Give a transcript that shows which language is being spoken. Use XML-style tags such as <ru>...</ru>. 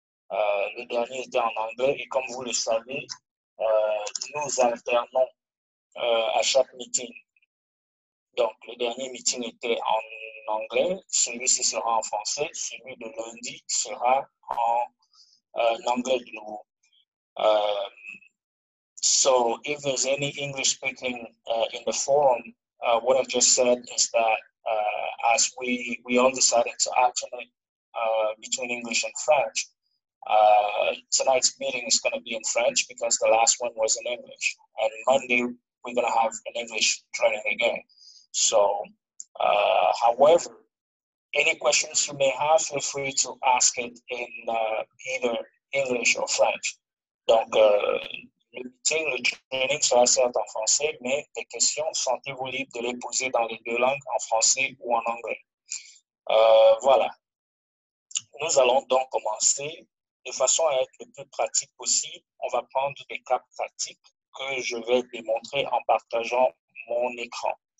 <fr>Le dernier était en anglais et comme vous le savez, nous alternons à chaque meeting. Donc, le dernier meeting était en anglais, celui-ci sera en français, celui de lundi sera en anglais de nouveau.</fr> <en>So, if there's any English speaking in the forum, what I've just said is that as we all decided to alternate between English and French, tonight's meeting is going to be in French because the last one was in English. And Monday, we're going to have an English training again. So, however, any questions you may have, feel free to ask it in either English or French.</en> <fr>Donc, le meeting, le training sera certes en français, mais les questions, sentez-vous libre de les poser dans les deux langues, en français ou en anglais. Voilà. Nous allons donc commencer. De façon à être le plus pratique possible, on va prendre des cas pratiques que je vais démontrer en partageant mon écran.</fr>